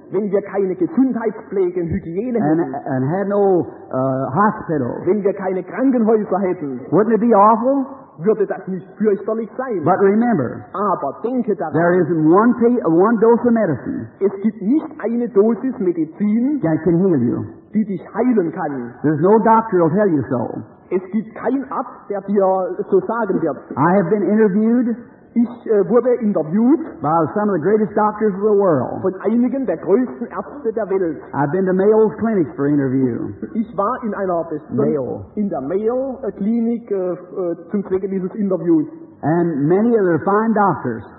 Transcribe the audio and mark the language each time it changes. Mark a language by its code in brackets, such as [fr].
[de] Wenn wir keine Gesundheitspflege und Hygiene hätten? [en] And had no hospitals? [de] Wenn wir keine Krankenhäuser hätten? [en] Wouldn't it be awful? [de] Würde das nicht fürchterlich sein? [en] But remember, [de] aber denke daran, [en] there isn't one dose of medicine. [de] Es gibt nicht eine Dosis Medizin, [en] that can heal you. [de] Die dich heilen kann. [en] There's no doctor who'll tell you so. [de] Es gibt kein Arzt, der dir so sagen wird. [en] I have been interviewed. [de] Ich wurde interviewt [en] by some of the greatest doctors of the world. [de] Von einigen der größten Ärzte der Welt. [en] I've been to Mayo's clinics for interview. [de] Ich war in einer Mayo Klinik zum Zwecke dieses Interviews. [en] And many of their fine doctors.